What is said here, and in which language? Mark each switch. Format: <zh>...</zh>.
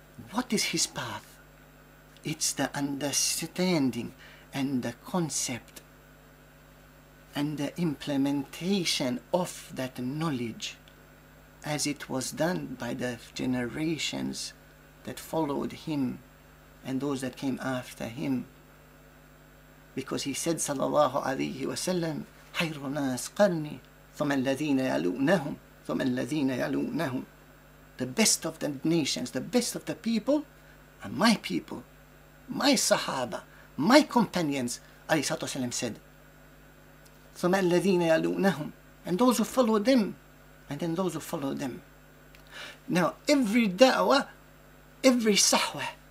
<en>What is his path? It's the understanding and the concept and the implementation of that knowledge as it was done by the generations that followed him and those that came after him. Because he said,</en> <ar>sallallahu alayhi wa sallam, خَيْرُ نَاسْ قَرْنِي ثُمَ الَّذِينَ يَلُونَهُمْ ثُمَ الَّذِينَ يَلُونَهُمْ.</ar> <en>The best of the nations, the best of the people are my people, my sahaba, my companions, alayhi sallallahu alayhi wa sallam said.</en> <ar>ثُمَ الَّذِينَ يَلُونَهُمْ,</ar> <en>and those who follow them, and then those who follow them. Now, every da'wah, every sahwah,</en>